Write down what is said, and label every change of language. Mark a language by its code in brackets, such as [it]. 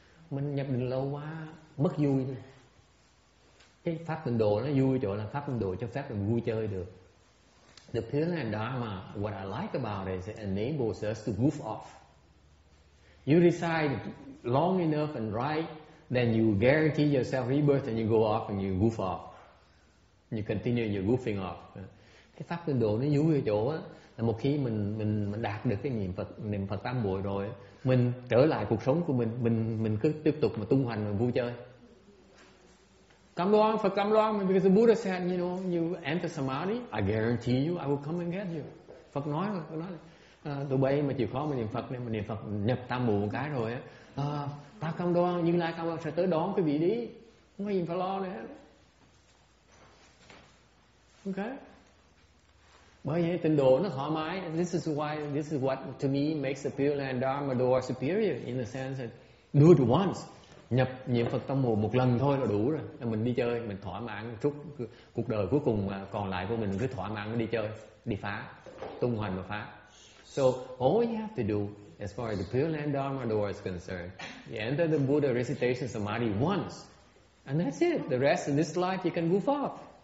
[vi] Mình nhập định lâu quá mất vui rồi. Cái pháp tịnh độ nó vui chỗ là pháp tịnh độ cho phép mình vui chơi được. [en] The Pureland Dharma, what I like about it is it enables us to goof off. You recite long enough and right, then you guarantee yourself rebirth and you go off and you goof off. You continue your goofing off. [vi] Cái pháp tịnh độ nó vui chỗ á là một khi mình đạt được cái niệm Phật tam muội rồi, mình trở lại cuộc sống của mình cứ tiếp tục mà tung hoành và vui chơi. [en] Come along, Phật come along, because the Buddha said, you know, you enter samadhi, I guarantee you, I will come and get you. [vi] Phật nói mà, Phật nói, tụi bay mà chịu khó mà niệm Phật nhập tam muội một cái rồi á, ta [en] come along, [vi] Như Lai come along sẽ tới đón quý vị đi, không có gì phải lo nữa. Okay. Bởi vậy tịnh độ nó thoải mái. [en] This is why, this is what to me makes the Pureland Dharma door superior, in the sense that do it once. [vi] Nhập niệm Phật tâm hồn một lần thôi là đủ rồi. Mình đi chơi, mình thỏa mãn chút cuộc đời cuối cùng còn lại của mình, cứ thỏa mãn đi chơi, đi phá, tung hoành mà phá. [en] So all you have to do, as far as the Pureland Dharma door is concerned, you enter the Buddha recitation samadhi once, and that's it. The rest of this life you can goof off.